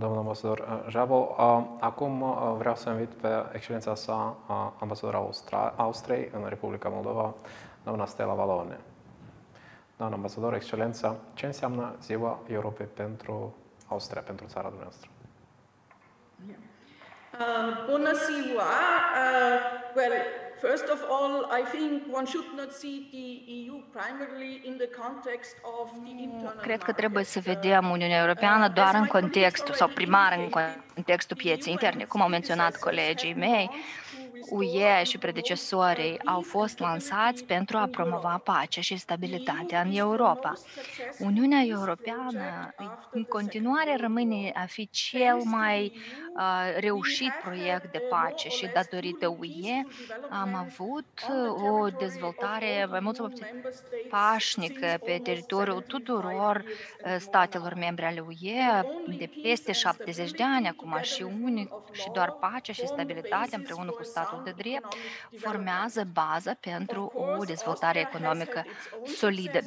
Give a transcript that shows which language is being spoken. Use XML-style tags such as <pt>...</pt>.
<ro>Domnul ambasador Jabo, acum vreau să invit pe excelența sa, ambasadora Austriei în Republica Moldova, doamna Stella Valone. Doamna ambasador, excelență, ce înseamnă Ziua Europei pentru Austria, pentru țara dumneavoastră? Bună ziua!</ro> <en>Well, first of all, I think one should not see the EU primarily in the context of the internal.</en> <ro>Cred că trebuie să vedem Uniunea Europeană doar în contextul sau primar în contextul pieței interne, cum au menționat colegii mei. UE și predecesorii au fost lansați pentru a promova pacea și stabilitatea în Europa. Uniunea Europeană în continuare rămâne a fi cel mai reușit proiect de pace și datorită UE am avut o dezvoltare mai mult pașnică pe teritoriul tuturor statelor membre ale UE de peste 70 de ani acum și doar pacea și stabilitatea împreună cu statul de drept formează baza pentru o dezvoltare economică solidă.</ro>